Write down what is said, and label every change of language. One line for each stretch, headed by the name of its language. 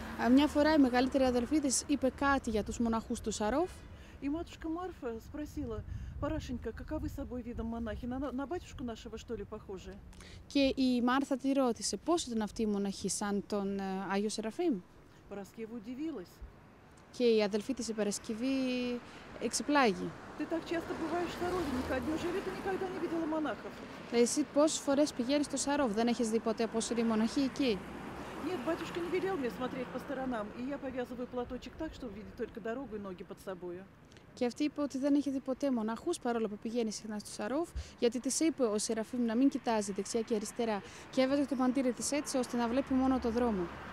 Greek: Μια φορά η μεγαλύτερη αδελφή της είπε κάτι για τους μοναχούς του Σαρόφ. Η μάτουσκα Μάρφα
Russian: спросила: «Парашенька, каковы собой видом монахи? На батюшку нашего, что ли, похожи?»
Greek: Και η Μάρθα τη ρώτησε, πώς ήταν αυτή η μοναχή, σαν τον Άγιο Σεραφείμ?
Russian: Παρασκευή удивилась.
Greek: Και η αδελφή της, η Παρασκευή, εξεπλάγει.
Russian: «Ты так часто бываешь в Сарове, Михаил, неужели ты никогда не видела монахов?»
Greek: Εσύ πόσες φορές πηγαίνεις στο Σαρόβ, δεν έχεις δει ποτέ πώς είναι οι μοναχοί εκεί?
Russian: «Нет, батюшка не велел мне смотреть по сторонам, и я повязываю платочек так, чтобы видеть только дорогу и ноги под собою».
Greek: Και αυτή είπε ότι δεν έχει δει ποτέ μοναχούς, παρόλο που πηγαίνει συχνά στο Σαρόφ, γιατί της είπε ο Σεραφείμ να μην κοιτάζει δεξιά και αριστερά και έβαζε το μαντήρι της έτσι, ώστε να βλέπει μόνο το δρόμο.